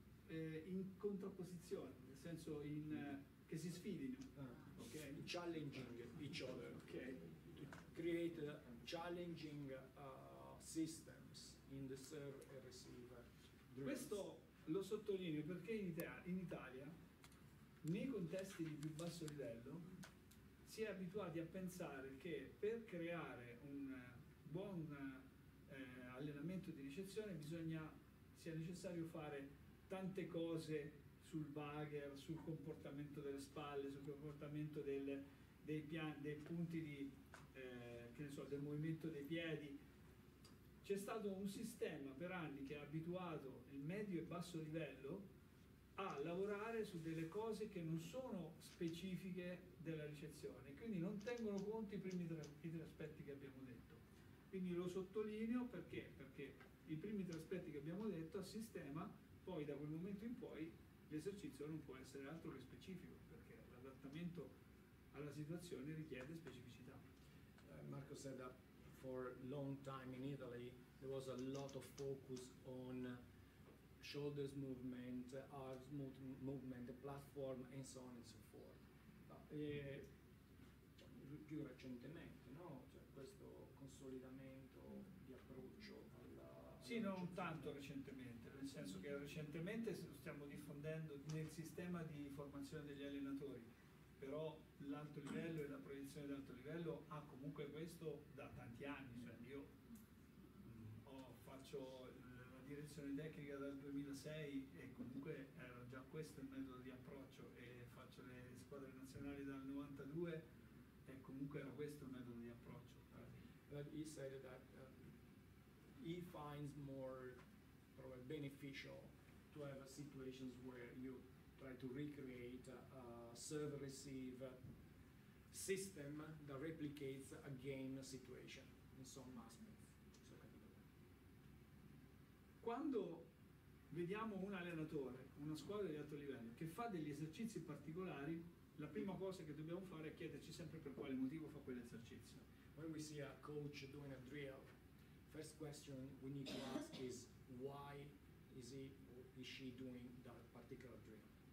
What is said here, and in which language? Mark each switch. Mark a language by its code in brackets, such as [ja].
[it] In contrapposizione, nel senso in che si sfidino, [en] okay, challenging each other, okay, to create challenging systems in the serve and receive. [it] Questo lo sottolineo perché in Italia, nei contesti di più basso livello, si è abituati a pensare che per creare un buon allenamento di ricezione bisogna sia necessario fare tante cose sul bagger, sul comportamento delle spalle, sul comportamento dei punti di che ne so, del movimento dei piedi. C'è stato un sistema per anni che ha abituato il medio e basso livello a lavorare su delle cose che non sono specifiche della ricezione, quindi non tengono conto i primi tre aspetti che abbiamo detto. Quindi lo sottolineo perché i primi tre aspetti che abbiamo detto a sistema, poi da quel momento in poi l'esercizio non può essere altro che specifico, perché l'adattamento alla situazione richiede specificità. [en] Marco said that for a long time in Italy there was a lot of focus on shoulders movement, arms movement, the platform, and so on and so forth. [it] Più recentemente, no? Cioè questo consolidamento di approccio alla... Sì, no, non tanto recentemente, nel senso che recentemente lo stiamo diffondendo nel sistema di formazione degli allenatori, però l'alto livello e la proiezione dell'alto livello ha comunque questo da tanti anni. Cioè io faccio la direzione tecnica dal 2006 e comunque era già questo il metodo di approccio, e faccio le squadre nazionali dal 92 e comunque era questo il metodo di approccio. [en] But he said that he finds more probably beneficial to have situations where you try to recreate a serve-receive system that replicates a game situation in some aspects. So, [it] quando vediamo un allenatore, una squadra di alto livello, che fa degli esercizi particolari, la prima cosa che dobbiamo fare è chiederci sempre per quale motivo fa quell'esercizio. [en] When we see a coach doing a drill, first question we need to ask is why is he or is she doing that particular drill?